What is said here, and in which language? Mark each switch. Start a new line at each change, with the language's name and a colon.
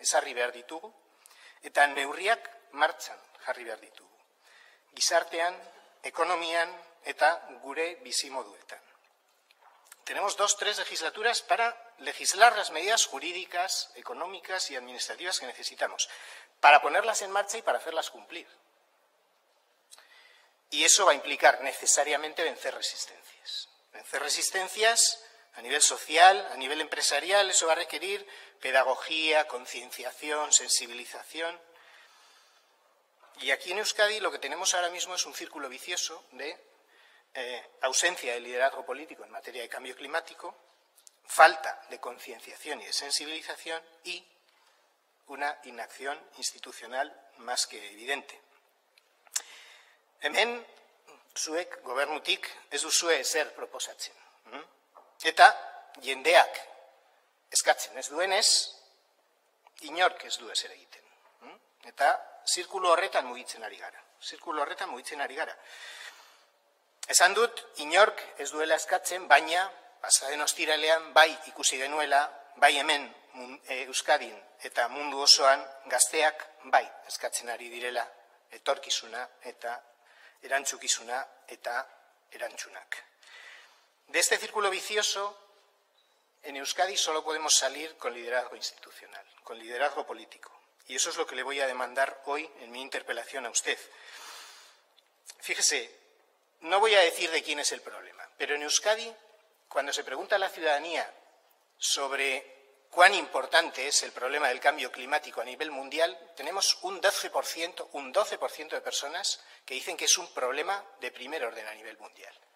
Basque: ezarri behar ditugu, eta neurriak martxan jarri behar ditugu. Gizartean, ekonomian eta gure bizimoduetan.
Spanish: Tenemos dos, tres legislaturas para legislar las medidas jurídicas, económicas y administrativas que necesitamos, para ponerlas en marcha y para hacerlas cumplir. Y eso va a implicar necesariamente vencer resistencias. Vencer resistencias a nivel social, a nivel empresarial, eso va a requerir pedagogía, concienciación, sensibilización. Y aquí en Euskadi lo que tenemos ahora mismo es un círculo vicioso de ausencia de liderazgo político en materia de cambio climático, falta de concienciación y de sensibilización y una inacción institucional más que evidente.
Basque: Hemen, zuek gobernutik ez duzue ezer proposatzen. Eta jendeak eskatzen ez duenez, inork ez du ezer egiten. Eta zirkulo horretan mugitzen ari gara. Zirkulo horretan mugitzen ari gara. Esan dut, inork ez duela eskatzen, baina pasaden ostiralean bai ikusi genuela, bai hemen Euskadin eta mundu osoan gazteak bai eskatzen ari direla etorkizuna eta erantzukizuna eta erantzunak.
Spanish: De este círculo vicioso, en Euskadi solo podemos salir con liderazgo institucional, con liderazgo político. Y eso es lo que le voy a demandar hoy en mi interpelación a usted. Fíjese, no voy a decir de quién es el problema, pero en Euskadi, cuando se pregunta a la ciudadanía sobre cuán importante es el problema del cambio climático a nivel mundial, tenemos un 12% de personas que dicen que es un problema de primer orden a nivel mundial.